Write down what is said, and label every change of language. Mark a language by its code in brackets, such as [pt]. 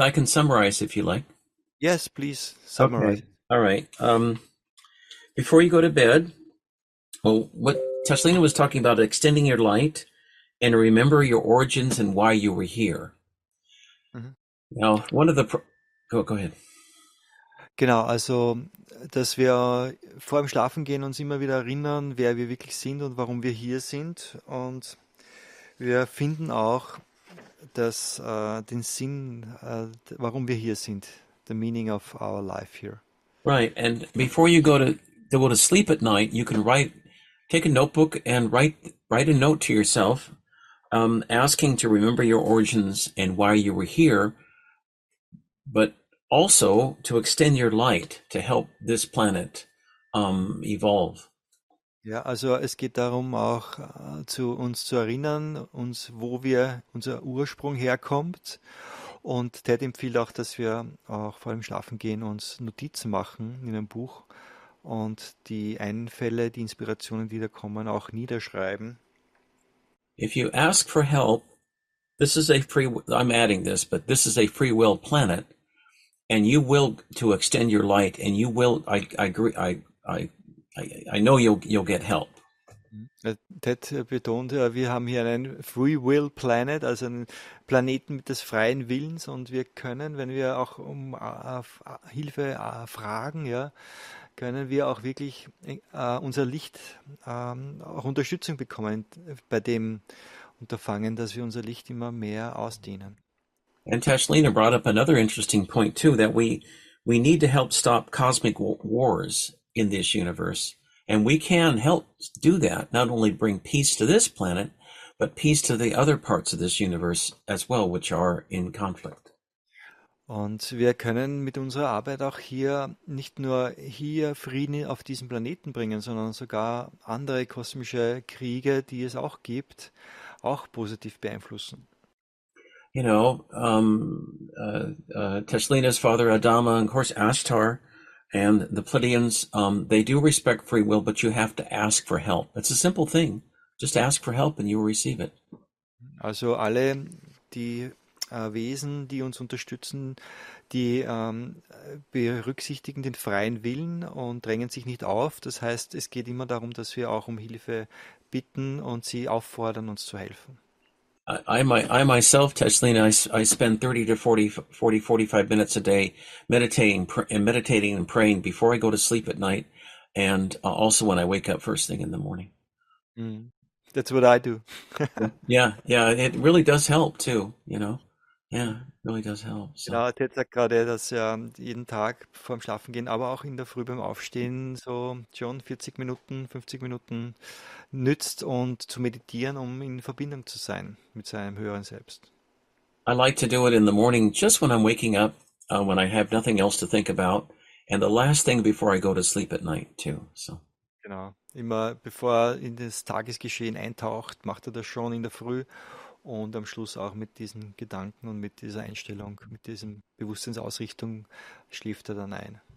[en] I can summarize if you like. Yes, please summarize. Okay. All right. Before you go to bed, well, what Tashlena was talking about, extending your light And remember your origins and why you were here. Mhm. Now, one of the go ahead. [de] Genau, also dass wir vor dem Schlafen gehen uns immer wieder erinnern, wer wir wirklich sind und warum wir hier sind. Und wir finden auch das, den Sinn, warum wir hier sind, [en] the meaning of our life here. Right, and before you go to sleep at night, you can take a notebook and write a note to yourself, asking to remember your origins and why you were here, but also to extend your light to help this planet evolve. [de] Ja, also es geht darum auch zu uns zu erinnern, uns wo wir unser Ursprung herkommt. Und Ted empfiehlt auch, dass wir auch vor dem Schlafen gehen uns Notizen machen in einem Buch und die Einfälle, die Inspirationen, die da kommen, auch niederschreiben. [en] If you ask for help, this is a free. I'm adding this, but this is a free will planet, and you will to extend your light, and you will. I agree. I know you'll get help. [de] Ted betont, wir haben hier einen Free Will Planet, also einen Planeten mit des freien Willens, und wir können, wenn wir auch um Hilfe fragen, ja, können wir auch wirklich unser Licht, auch Unterstützung bekommen bei dem Unterfangen, dass wir unser Licht immer mehr ausdehnen. [en] And Tashlena brought up another interesting point too, that we need to help stop cosmic wars in this universe. And we can help do that, not only bring peace to this planet, but peace to the other parts of this universe as well, which are in conflict. [de] Und wir können mit unserer Arbeit auch hier nicht nur hier Frieden auf diesem Planeten bringen, sondern sogar andere kosmische Kriege, die es auch gibt, auch positiv beeinflussen. [en] You know, Tashlena's father Adama, and of course Ashtar, and the Pleiadians, they do respect free will, but you have to ask for help. It's a simple thing. Just ask for help and you will receive it. [de] Also alle die Wesen, die uns unterstützen, die berücksichtigen den freien Willen und drängen sich nicht auf. Das heißt, es geht immer darum, dass wir auch um Hilfe bitten und sie auffordern, uns zu helfen. [en] I myself, Tashlena, I spend 30 to 45 minutes a day meditating and praying before I go to sleep at night, and also when I wake up first thing in the morning. Mm, that's what I do. yeah, it really does help too, you know. Yeah, it really does help. So. [de] Genau, Ted sagt gerade, dass er jeden Tag vorm Schlafen gehen, aber auch in der Früh beim Aufstehen so schon 40 Minuten, 50 Minuten nützt und zu meditieren, um in Verbindung zu sein mit seinem höheren Selbst. [en] I like to do it in the morning, just when I'm waking up, when I have nothing else to think about, and the last thing before I go to sleep at night too. So. [de] Genau, immer bevor er in das Tagesgeschehen eintaucht, macht er das schon in der Früh. Und am Schluss auch mit diesen Gedanken und mit dieser Einstellung, mit diesem Bewusstseinsausrichtung schläft er dann ein.